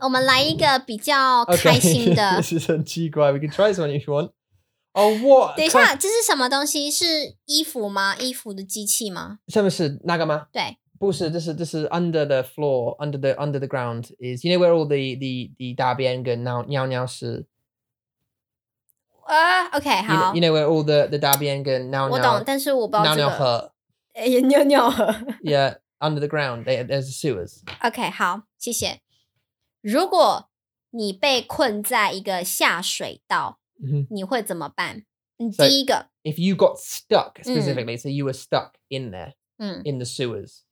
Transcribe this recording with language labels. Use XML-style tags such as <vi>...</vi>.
<zh>我们来一个比较开心的。</zh> <en>Okay. This is</en> <zh>很奇怪.</zh> <en>We can try this one if you want. Oh, what?</en> <zh>等一下,这是什么东西?是衣服吗?衣服的机器吗? 下面是那个吗? 对。不是,</zh> <en>this is under the floor, under the ground. Is, you know where all the</en> <zh>大便跟尿尿是? OK, 好。</zh> <en>You know where all the</en> <zh>大便跟尿尿。我懂，但是我不知道这个。尿尿盒。哎，尿尿盒。</zh> <en>Yeah, under the ground, there's sewers.</en> <zh>OK, 好，谢谢。如果你被困在一个下水道，你会怎么办？第一个。</zh> <en>If you got stuck specifically, so you were stuck in there, in the sewers.</en>